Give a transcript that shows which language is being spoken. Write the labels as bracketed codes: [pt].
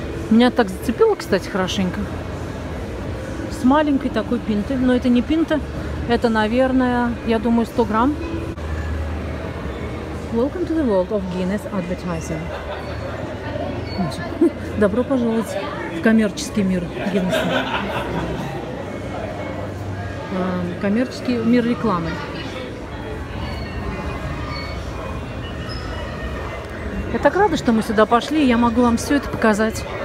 [ru] Меня так зацепило, кстати, хорошенько. С маленькой такой пинты, но это не пинта, это, наверное, я думаю, 100 грамм. [en] Welcome to the world of Guinness advertising. [ru] Добро пожаловать в коммерческий мир Guinness. Коммерческий мир рекламы. Я так рада, что мы сюда пошли, и я могу вам все это показать.